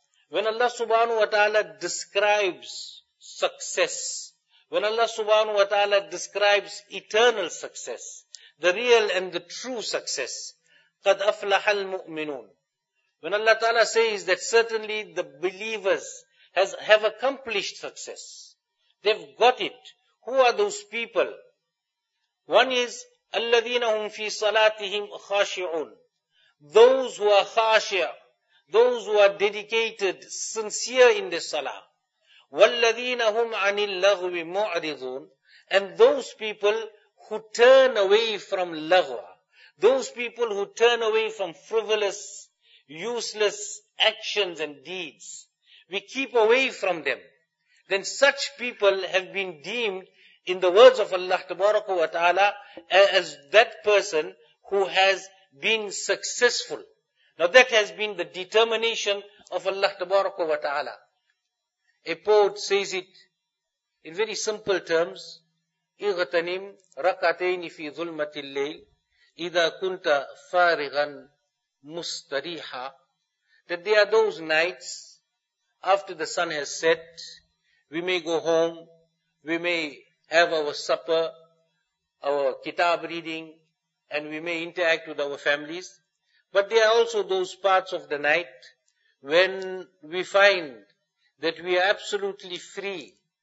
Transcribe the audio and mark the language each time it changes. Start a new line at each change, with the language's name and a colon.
English: When Allah subhanahu wa ta'ala describes success, when Allah subhanahu wa ta'ala describes eternal success, the real and the true success,
Arabic: قَدْ أَفْلَحَ الْمُؤْمِنُونَ.
English: When Allah ta'ala says that certainly the believers have accomplished success, they've got it. Who are those people? One is,
Arabic: أَلَّذِينَ هُمْ فِي صَلَاتِهِمْ خَاشِعُونَ.
English: Those who are khashi', those who are dedicated, sincere in the salah.
Arabic: وَالَّذِينَ هُمْ عَنِ اللَّغْوِ مُعْرِضُونَ.
English: And those people who turn away from laghwa, those people who turn away from frivolous, useless actions and deeds, we keep away from them. Then such people have been deemed, in the words of Allah tabaraka wa ta'ala, as that person who has been successful. Now that has been the determination of Allah tabaraka wa ta'ala. A poet says it in very simple terms,
Arabic: اغتنم ركعتين في ظلمة الليل إذا كنت فارغا مستريحا.
English: That there are those nights after the sun has set, we may go home, we may have our supper, our kitab reading, and we may interact with our families. But there are also those parts of the night when we find that we are absolutely free.